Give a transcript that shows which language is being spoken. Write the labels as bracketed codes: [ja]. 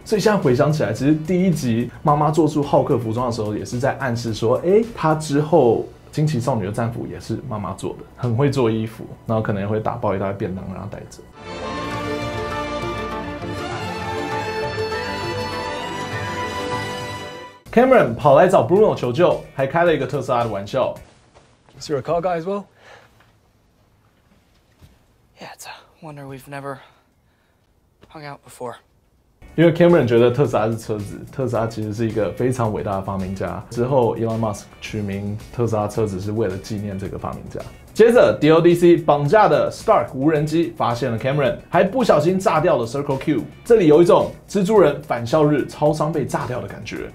[zh] 所以现在回想起来，其实第一集妈妈做出浩克服装的时候，也是在暗示说，欸，他之后惊奇少女的战服也是妈妈做的，很会做衣服，然后可能也会打包一大便当让她带着。 Cameron 跑来找 Bruno 求救，还开了一个特斯拉的玩笑。 [en] Is there a car guy as well? Yeah, it's a wonder we've never hung out before. [zh] 因为 Cameron 觉得特斯拉是车子，特斯拉其实是一个非常伟大的发明家。之后 Elon Musk 取名特斯拉车子是为了纪念这个发明家。接着 ，DODC 绑架的 Stark 无人机发现了 Cameron， 还不小心炸掉了 Circle Q。这里有一种蜘蛛人返校日超商被炸掉的感觉。